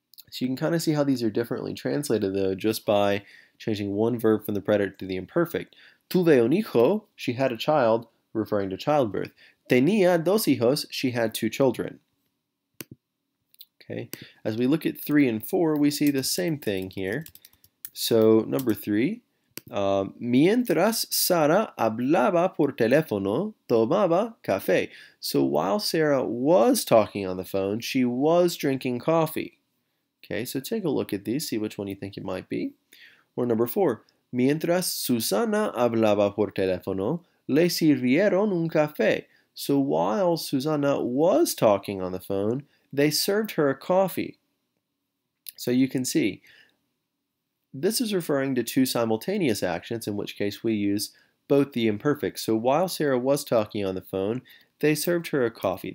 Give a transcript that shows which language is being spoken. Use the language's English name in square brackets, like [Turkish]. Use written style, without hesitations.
[English] So you can kind of see how these are differently translated, though, just by changing one verb from the preterite to the imperfect. [Spanish] Tuve un hijo, [English] she had a child, referring to childbirth. [Spanish] Tenía dos hijos, [English] she had two children. Okay, as we look at three and four, we see the same thing here. So, number three, [Spanish] mientras Sara hablaba por teléfono, tomaba café. [English] So, while Sarah was talking on the phone, she was drinking coffee. Okay, so take a look at these, see which one you think it might be. Or number four, [Spanish] mientras Susana hablaba por teléfono, le sirvieron un café. [English] So, while Susana was talking on the phone, they served her a coffee. So, you can see, this is referring to two simultaneous actions, in which case we use both the imperfect. So while Sarah was talking on the phone, they served her a coffee.